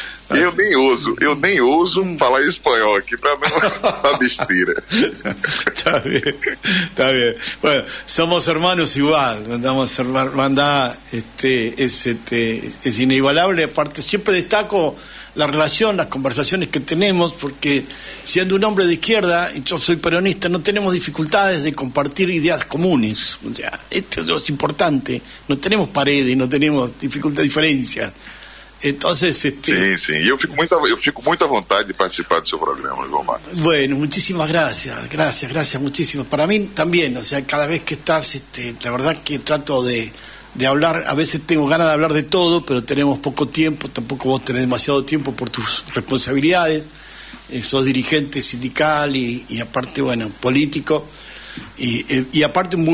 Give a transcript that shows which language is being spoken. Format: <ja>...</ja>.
<pt>Eu nem uso falar espanhol aqui para não falar besteira. Tá bem.</pt> <es>Bueno, somos hermanos igual, mandamos hermandad, es inigualable. Aparte, siempre destaco la relación, las conversaciones que tenemos, porque siendo un hombre de izquierda, y yo soy peronista, no tenemos dificultades de compartir ideas comunes. O sea, esto es importante, no tenemos paredes, no tenemos dificultades, diferencias. Entonces,</es> <pt>Sim, eu fico muito à vontade de participar do seu programa, João Marcos.</pt> <es>Bueno, muchísimas gracias, muchísimas. Para mí también, o sea, cada vez que estás, la verdad que trato de hablar, a veces tengo ganas de hablar de todo, pero tenemos poco tiempo, tampoco vos tenés demasiado tiempo por tus responsabilidades, sos dirigente sindical y aparte, bueno, político, y aparte muy</es>